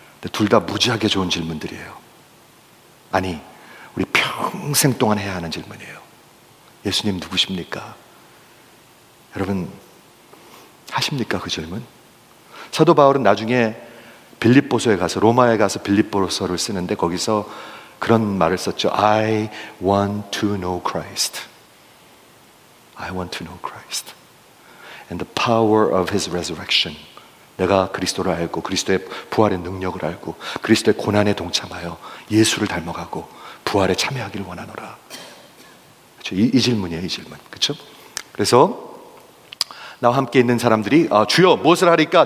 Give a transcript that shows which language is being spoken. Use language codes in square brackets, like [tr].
[ko] 둘 다 무지하게 좋은 질문들이에요. 아니, 우리 평생 동안 해야 하는 질문이에요. 예수님 누구십니까? 여러분, 하십니까? 그 질문? 사도 바울은 나중에 빌립보서에 가서, 로마에 가서 빌립보서를 쓰는데 거기서 그런 말을 썼죠. [en] I want to know Christ. I want to know Christ. And the power of his resurrection. [ko] 내가 그리스도를 알고 그리스도의 부활의 능력을 알고 그리스도의 고난에 동참하여 예수를 닮아가고 부활에 참여하기를 원하노라. 그렇죠? 이 질문이에요, 이 질문. 그렇죠? 그래서 나와 함께 있는 사람들이 주여 무엇을 하리까?